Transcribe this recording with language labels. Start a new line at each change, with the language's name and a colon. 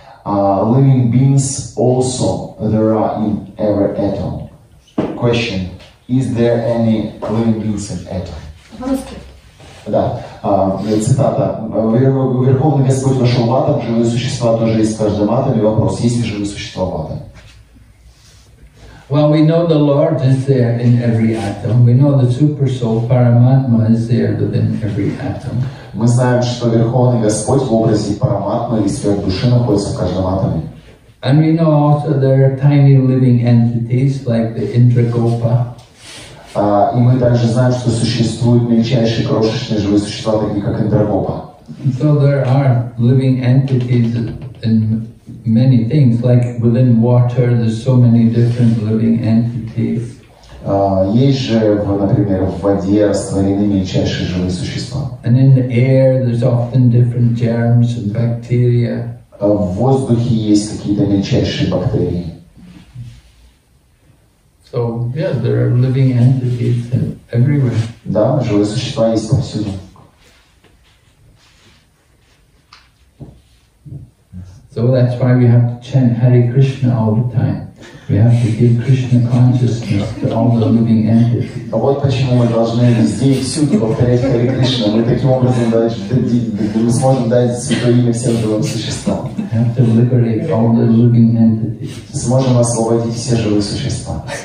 English: Living beings also there are in every atom. Question, is there any living beings in atom?
Russian: Да, цитата. Верховный Господь вошел в атом, живые существа тоже есть в каждом атоме. Вопрос, есть ли живые существа в атоме?
English: Well, we know the Lord is there in every atom. We know the Super Soul, Paramatma, is there within every atom.
Russian: Мы знаем, что Верховный Господь в образе Параматмы и Сверхдуши находится в каждом атоме.
English: And we know also there are tiny living entities like the Indragopa.
Russian: И мы также знаем, что существуют мельчайшие крошечные живые существа, такие как Индрагопа.
English: So there are living entities in many things, like within water, there's so many different living entities.
Russian: Есть же, например, в воде растворены мельчайшие живые существа.
English: And in the air, there's often different germs and bacteria.
Russian: В воздухе есть какие-то мельчайшие бактерии.
English: So, yeah, there are living entities everywhere.
Russian: Да, живые существа есть повсюду.
English: So that's why we have to chant Hare Krishna all the time. We have to give Krishna consciousness to all the living entities.
Russian: А вот почему мы должны везде и всюду повторять Харе Кришна. Мы таким образом мы сможем дать святое имя всем живым существам.
English: We have to liberate all the living entities.
Russian: Сможем освободить все живые существа.